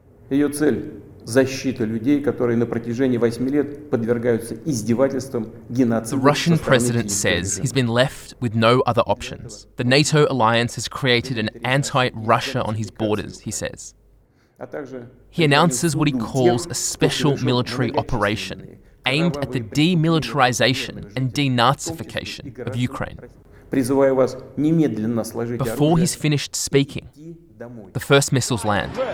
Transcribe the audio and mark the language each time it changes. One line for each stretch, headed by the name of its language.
Russian: Её цель — защита людей, которые на протяжении 8 лет подвергаются издевательствам, геноциду.
English: The Russian president says he's been left with no other options. The NATO alliance has created an anti-Russia on his borders, he says. He announces what he calls a special military operation aimed at the demilitarization and denazification of Ukraine.
Russian: Призываю вас немедленно сложить оружие.
English: Before he's finished speaking, the first missiles land.